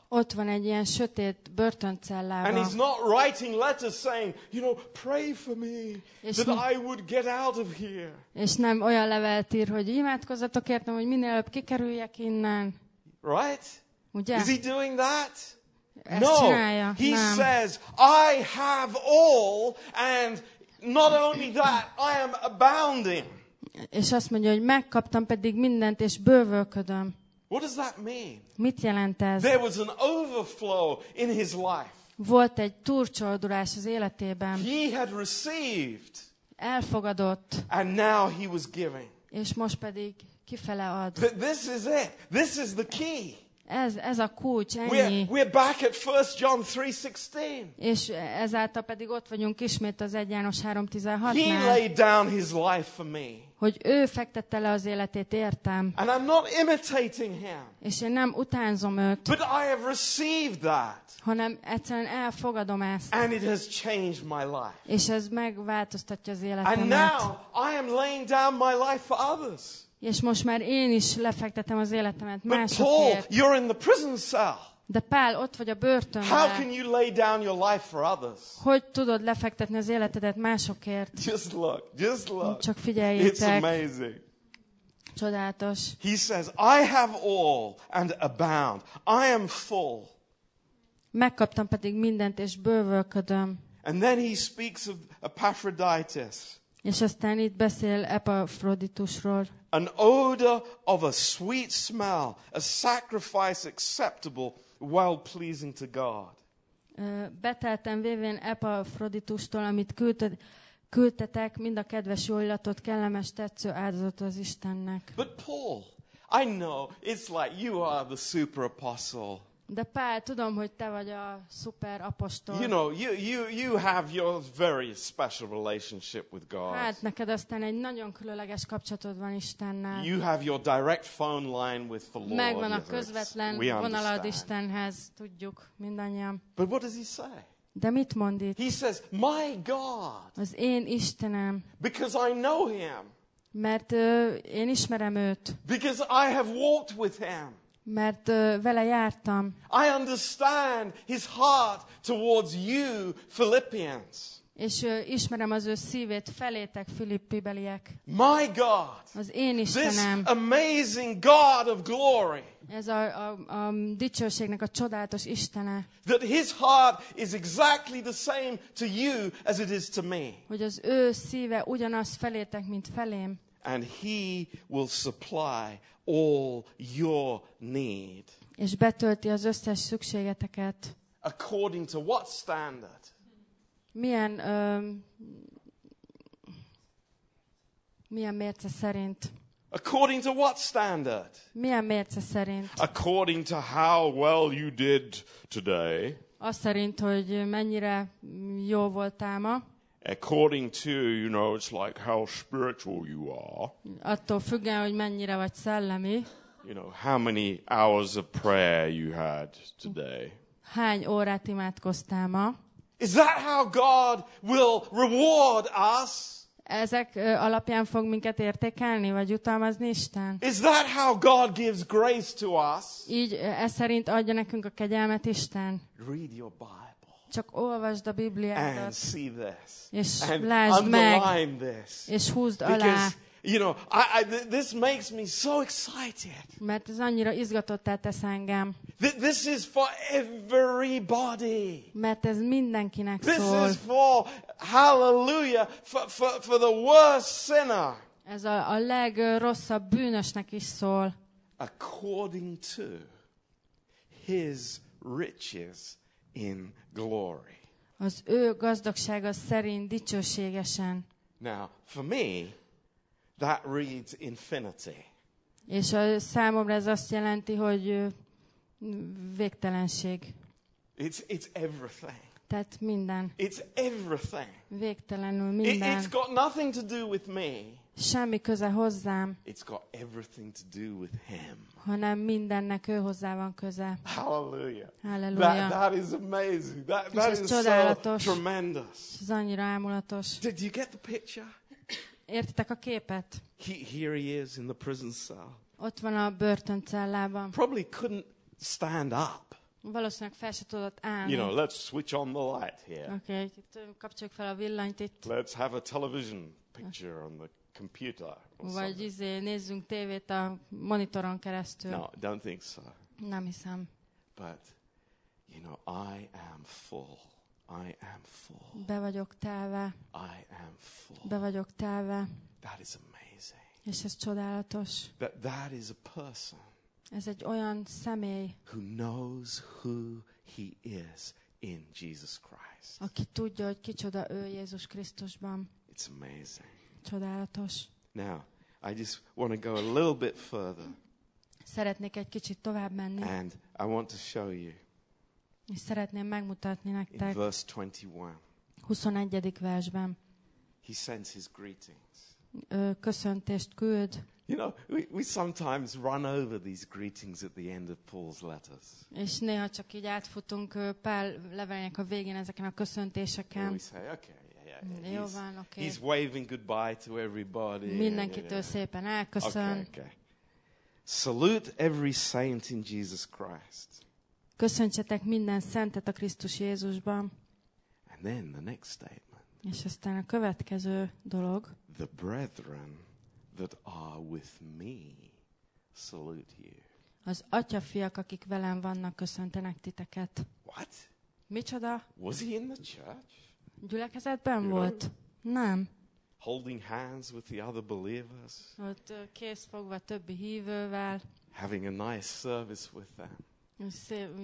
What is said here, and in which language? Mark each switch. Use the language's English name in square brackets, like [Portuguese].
[Hungarian] Ott van egy ilyen sötét börtöncellában. [English] And he's not writing letters saying, you know, pray for me that I would get out of here. [Hungarian] És nem olyan levelet ír, hogy imádkozzatok értem, hogy minél előbb kikerüljek innen. [English] Right? [Hungarian] Ugye? [English] Is he doing that? [Hungarian] Ezt csinálja. [English] No. He says, I have all, and not only that, I am abounding. [Hungarian] És azt mondja, hogy megkaptam pedig mindent, és bővölködöm. [English] What does that mean? [Hungarian] Mit jelent ez? [English] There was an overflow in his life. [Hungarian] Volt egy túlcsordulás az életében. [English] He had received. [Hungarian] Elfogadott. [English] And now he was giving. [Hungarian] És most pedig kifele ad. [English] This is it. This is the key. [Hungarian] Ez a kulcs, ennyi. [English] We're back at 1 John 3:16. [Hungarian] És ezáltal pedig ott vagyunk ismét az 1 János 3:16-nál. [English] He laid down his life for me. [Hungarian] Hogy ő fektette le az életét, értem. [English] And I'm not imitating him. [Hungarian] És én nem utánzom őt. [English] But I have received that. [Hungarian] Hanem egyszerűen elfogadom ezt. [English] And it has changed my life. [Hungarian] És ez megváltoztatja az életemet. [English] And now I am laying down my life for others. [Hungarian] És most már én is lefektetem az életemet másokért. [English] But Paul, you're in the prison cell. [Hungarian] De Pál, ott vagy a börtönben. [English] How can you lay down your life for others? [Hungarian] Hogy tudod lefektetni az életedet másokért? [English] Just look. [Hungarian] Csak figyeljétek. [English] It's amazing. [Hungarian] Csodálatos. [English] He says, I have all and abound. I am full. [Hungarian] Megkaptam pedig mindent, és bővölködöm. [English] And then he speaks of Epaphroditus. [Hungarian] És aztán itt beszél Epafroditusról. [English] An odor of a sweet smell, a sacrifice acceptable, well pleasing to God. [Hungarian] Beteltem vévén Epafroditustól, amit küldtetek, mind a kedves jó illatot, kellemes tetsző áldozat az Istennek. [English] But Paul, I know it's like you are the super apostle. [Hungarian] De Pál, tudom, hogy te vagy a szuper apostol. [English] You know, you have your very special relationship with God. [Hungarian] Hát neked aztán egy nagyon különleges kapcsolatod van Istennel. [English] You have your direct phone line with the Lord. [Hungarian] Megvan a közvetlen vonalad Istenhez, tudjuk mindannyian. [English] But what does he say? [Hungarian] De mit mond itt? [English] He says, my God. [Hungarian] Az én Istenem. [English] Because I know him. [Hungarian] Mert én ismerem őt. [English] Because I have walked with him. [Hungarian] Mert vele jártam. [English] I understand his heart towards you, Philippians. [Hungarian] És ismerem az ő szívét felétek, filippibeliek. [English] My God. [Hungarian] Az én Istenem. [English] This amazing God of glory. [Hungarian] Ez a dicsőségnek a csodálatos Istene. [English] That his heart is exactly the same to you as it is to me. [Hungarian] Hogy az ő szíve ugyanaz felétek, mint felém. [English] And he will supply all your need. [Hungarian] És betölti az összes szükségeteket. [English] According to what standard? [Hungarian] Milyen milyen mérce szerint? [English] According to what standard? [Hungarian] Milyen mérce szerint? [English] According to how well you did today. [Hungarian] Azt szerint, hogy mennyire jó voltál ma. [English] According to, you know, it's like how spiritual you are. [Hungarian] Attól függően, hogy mennyire vagy szellemi. [English] You know, how many hours of prayer you had today. [Hungarian] Hány órát imádkoztál ma? [English] Is that how God will reward us? [Hungarian] Ezek alapján fog minket értékelni vagy jutalmazni Isten? [English] Is that how God gives grace to us? [Hungarian] Így ez szerint adja nekünk a kegyelmet Isten? [English] Read your Bible. [Hungarian] Csak olvasd a Bibliádat. [English] And see this. [Hungarian] És [English] and [Hungarian] lásd meg. [English] This. [Hungarian] És húzd [English] because, [Hungarian] alá. [English] You know, I this makes me so excited. [Hungarian] Mert ez annyira izgatottá tesz engem. [English] This is for everybody. [Hungarian] Mert ez mindenkinek szól. [English] This is for hallelujah for the worst sinner. [Hungarian] Ez a legrosszabb bűnösnek is szól. [English] According to his riches in glory. [Hungarian] Az ő gazdagsága szerint dicsőségesen. [English] Now, for me that reads infinity. [Hungarian] És a számomra ez azt jelenti, hogy végtelenség. [English] It's everything. [Hungarian] Tehát minden. [English] It's everything. [Hungarian] Végtelenül minden. [English] It's got nothing to do with me. [Hungarian] Semmi köze hozzám. [English] It's got everything to do with him. [Hungarian] Hanem mindennek ő hozzá van köze. [English] Hallelujah. [Hungarian] Hallelujah. [English] That is amazing. That is [Hungarian] csodálatos. [English] So tremendous. [Hungarian] Ez annyira álmulatos. [English] Did you get the picture? [Hungarian] Értitek a képet? [English] Here he is in the prison cell. [Hungarian] Ott van a börtöncellában. [English] Probably couldn't stand up. [Hungarian] Valószínűleg fel se tudott állni. [English] You know, let's switch on the light here. [Hungarian] Okay, kapcsoljuk fel a villanyt itt. [English] Let's have a television picture on the computer. [Hungarian] Vagy nézzünk tévét a monitoron keresztül. [English] No, don't think so. [Hungarian] Nem hiszem. [English] But, you know, I am full. I am full. [Hungarian] Be vagyok telve. [English] I am full. [Hungarian] Be vagyok telve. [English] That is amazing. [Hungarian] És ez csodálatos. [English] That is a person. [Hungarian] Ez egy olyan személy. [English] Who knows who he is in Jesus Christ. [Hungarian] Aki tudja, hogy kicsoda ő Jézus Krisztusban. [English] It's amazing. [Hungarian] Csodálatos. [English] Now, I just want to go a little bit further. [Hungarian] Szeretnék egy kicsit tovább menni. [English] And I want to show you. [Hungarian] És szeretném megmutatni nektek. [English] Verse 21. [Hungarian] 21. versben. [English] He sends his greetings. [Hungarian] Köszöntést küld. [English] You know, we sometimes run over these greetings at the end of Paul's letters. [Hungarian] És néha csak így átfutunk Pál levelének a végén ezeken a köszöntéseken. [English] We say, okay, yeah, yeah. [Hungarian] Jó, [English] he's waving goodbye to everybody. [Hungarian] Mindenkitől szépen elköszön. [English] Okay. Salute every saint in Jesus Christ. [Hungarian] Köszöntsetek minden szentet a Krisztus Jézusban. [English] And then the next statement. [Hungarian] És aztán a következő dolog. [English] The brethren that are with me salute you. [Hungarian] Az atyafiak, akik velem vannak, köszöntenek titeket. [English] What? [Hungarian] Micsoda? [English] Was he in the church? [Hungarian] Gyülekezetben volt? Nem. [English] Holding hands with the other believers. [Hungarian] Ott kézfogva többi hívővel. [English] Having a nice service with them.